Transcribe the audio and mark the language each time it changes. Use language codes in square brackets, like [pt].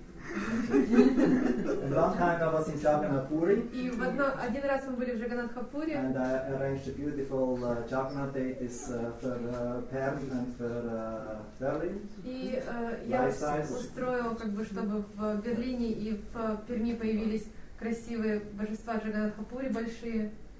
[en] And one time I was in Jagannathpuri. [ru] И в один раз мы были в Джаганнатхапуре. [en] And I arranged a beautiful Jagannath date for Perm and for Berlin. [ru] И я устроил, как бы, чтобы в Берлине и в Перми появились красивые божества Джаганнатхапури большие.